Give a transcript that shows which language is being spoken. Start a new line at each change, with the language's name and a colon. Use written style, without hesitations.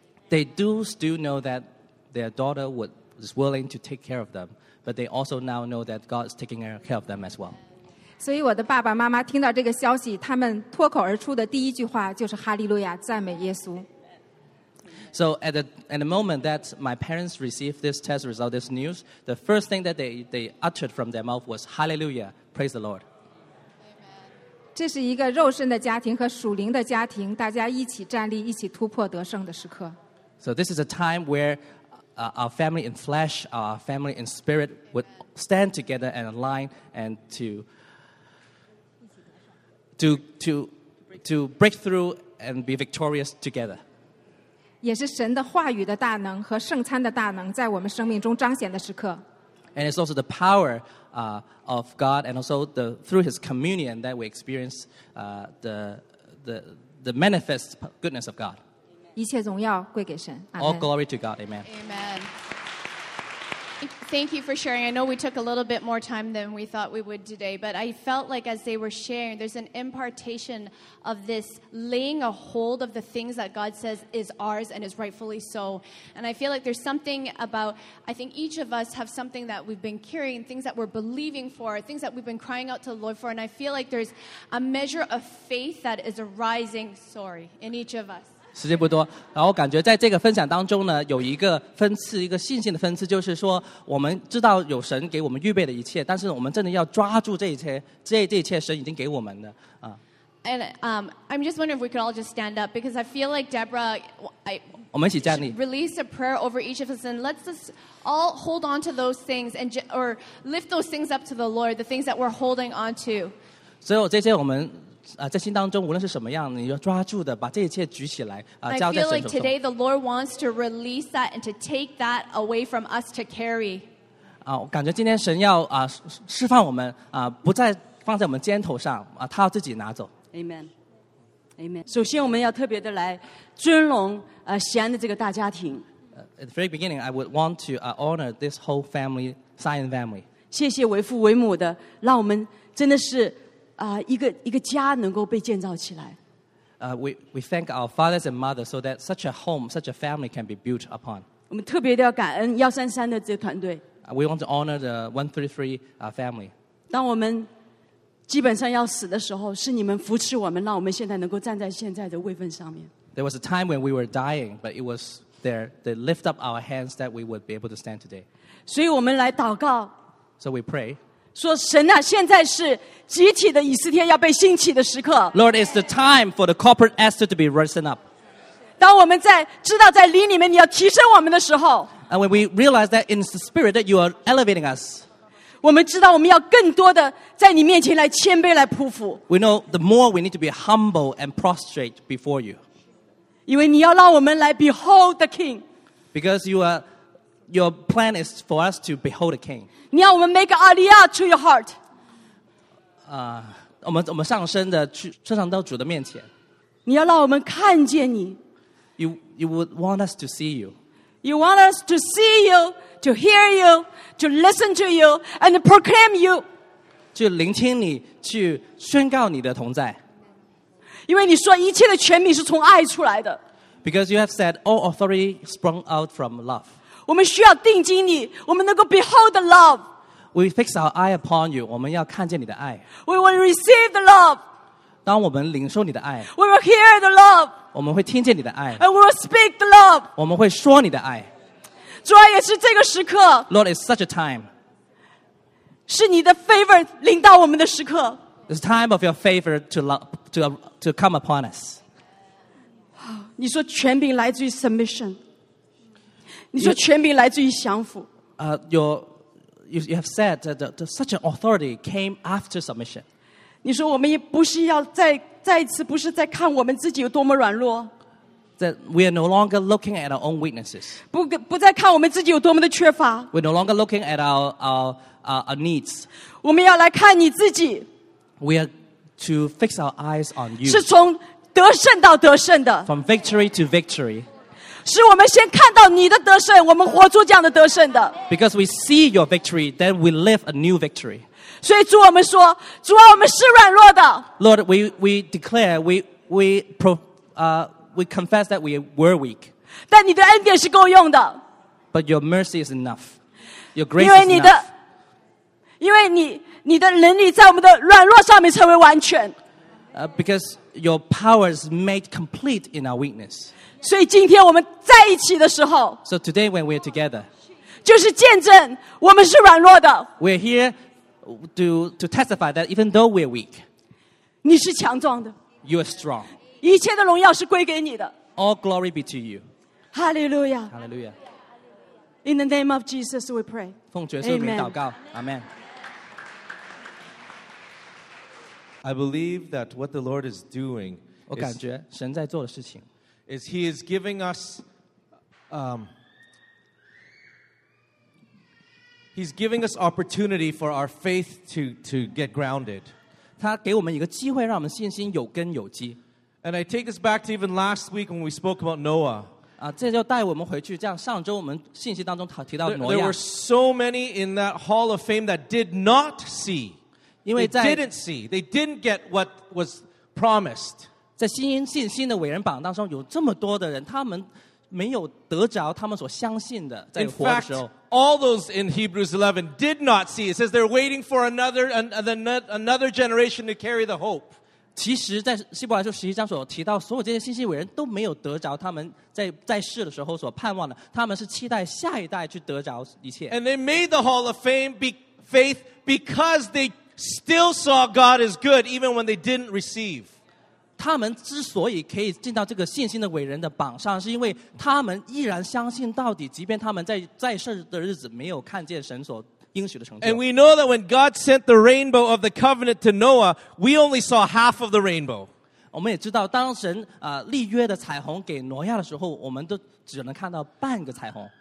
English: They do still know that their daughter would. Is willing to take care of them, but they also now know that God is taking care of them as well.
Chinese: 所以我的爸爸妈妈听到这个消息，他们脱口而出的第一句话就是哈利路亚，赞美耶稣。
English: So at the moment that my parents received this test result, this news, the first thing that they uttered from their mouth was Hallelujah, praise the Lord.
Chinese: 这是一个肉身的家庭和属灵的家庭，大家一起站立，一起突破得胜的时刻。
English: So this is a time where our family in flesh, our family in spirit would stand together and align and to break through and be victorious together.
Chinese: 也是神的话语的大能和圣餐的大能在我们生命中彰显的时刻。
English: And it's also the power of God and also through his communion that we experience the manifest goodness of God.
Chinese: 一切荣耀归给神。
English: All glory to God. Amen. Amen. Thank you for sharing. I know we took a little bit more time than we thought we would today, but I felt like as they were sharing, there's an impartation of this laying a hold of the things that God says is ours and is rightfully so. And I feel like there's something about, I think each of us have something that we've been carrying, things that we're believing for, things that we've been crying out to the Lord for, and I feel like there's a measure of faith that is arising, in each of us.
Chinese: 时间不多，然后感觉在这个分享当中呢，有一个分次，一个信心的分次，就是说我们知道有神给我们预备的一切，但是我们真的要抓住这一切，这一切神已经给我们的啊。
English: And I'm just wondering if we could all just stand up because I feel like Deborah, I.
Chinese: 我们一起站立。
English: Release a prayer over each of us and let's just all hold on to those things and or lift those things up to the Lord, the things that we're holding on to.
Chinese: 所以这些我们。在心当中无论是什么样你要抓住的把这一切举起来交在神手中
English: I feel like today the Lord wants to release that and to take that away from us to carry
Chinese: 感觉今天神要释放我们不再放在我们肩头上他要自己拿走 Amen. Amen 首先我们要特别的来尊荣Sion的这个大家庭
English: At the very beginning I would want to honor this whole family Sion family
Chinese: 谢谢为父为母的让我们真的是一个家能够被建造起来。
English: We thank our fathers and mothers so that such a home, such a family can be built upon.
Chinese: 我们特别的要感恩133的这个团队。
English: We want to honor the 133 family.
Chinese: 当我们基本上要死的时候，是你们扶持我们，让我们现在能够站在现在的位分上面。
English: There was a time when we were dying, but it was there they lift up our hands that we would be able to stand today.
Chinese: 所以我们来祷告。
English: So we pray.
Chinese: 说神啊，现在是集体的以色列要被兴起的时刻。
English: Lord, it's the time for the corporate Esther to be risen up.
Chinese: 当我们在知道在灵里面你要提升我们的时候
English: ，And when we realize that in the spirit that you are elevating us,
Chinese: 我们知道我们要更多的在你面前来谦卑来匍匐。
English: We know the more we need to be humble and prostrate before you.
Chinese: 因为你要让我们来
English: behold the King. Because you are. Your plan is for us to behold a king.
Chinese: 你要我们
English: make aliyah to your heart.
Chinese: 我们上升的去升上到主的面前。你要让我们看见你。
English: You would want us to see you. You want us to see you, to hear you, to listen to you, and proclaim you.
Chinese: 去聆听你，去宣告你的同在。因为你说一切的权柄是从爱出来的。
English: Because you have said all authority sprung out from love.
Chinese: 我们需要定睛你，我们能够
English: behold the love. We fix our eye upon you.
Chinese: 我们要看见你的爱。
English: We will receive the love.
Chinese: 当我们领受你的爱。
English: We will hear the love.
Chinese: 我们会听见你的爱。
English: And we will speak the love.
Chinese: 我们会说你的爱。主啊，也是这个时刻。
English: Lord, it's such a time.
Chinese: 是你的 favor 临到我们的时刻。
English: It's time of your favor to come upon us.
Chinese: 你说权柄来自于 submission. 你说权柄来自于降服。
English: You have said that such an authority came after submission.
Chinese: 你说我们也不是要再一次不是在看我们自己有多么软弱。
English: That we are no longer looking at our own weaknesses.
Chinese: 不再看我们自己有多么的缺乏。
English: We're no longer looking at our needs.
Chinese: 我们要来看你自己。
English: We are to fix our eyes on you.
Chinese: 是从得胜到得胜的。
English: From victory to victory.
Chinese: 是我们先看到你的得胜，我们活出这样的得胜的。
English: Because we see your victory, then we live a new victory.
Chinese: 所以主，我们说，主啊，我们是软弱的。
English: Lord, we declare, we confess that we were weak.
Chinese: 但你的恩典是够用的。
English: But your mercy is enough. Your grace is enough.
Chinese: 因为你的能力在我们的软弱上面成为完全。
English: Because your power is made complete in our weakness.
Chinese: 所以今天我们在一起的时候
English: ，So today when we're together，
Chinese: 就是见证我们是软弱的。
English: We're here to testify that even though we're weak，
Chinese: 你是强壮的。
English: You are strong。
Chinese: 一切的荣耀是归给你的。
English: All glory be to you。 Hallelujah。 Hallelujah。 In the name of Jesus, we pray。
Chinese: 奉主耶稣的名祷告。Amen。
English: I believe that what the Lord is doing is He is giving us He's giving us opportunity for our faith to get grounded.
Chinese: 他给我们一个机会，让我们信心有根有基。
English: And I take us back to even last week when we spoke about Noah.
Chinese: 这就带我们回去，这样上周我们信息当中提到挪亚。
English: There were so many in that hall of fame that did not see. They didn't see. They didn't get what was promised.
Chinese: 在信心的伟人榜当中，有这么多的人，他们没有得着他们所相信的。在活的时候
English: ，In fact, all those in Hebrews 11 did not see. It says they're waiting for another generation to carry the hope.
Chinese: 其实，在希伯来书十一章所提到，所有这些信心伟人都没有得着他们在世的时候所盼望的。他们是期待下一代去得着一切。
English: And they made the Hall of Fame faith because they. Still saw God is good even when they didn't receive.
Chinese: 他们之所以可以进到这个信心的伟人的榜上，是因为他们依然相信到底，即便他们在世的日子没有看见神所应许的成就。
English: And we know that when God sent the rainbow of the covenant to Noah, we only saw half of the rainbow.
Chinese: 我们也知道，当神立约的彩虹给挪亚的时候，我们都只能看到半个彩虹。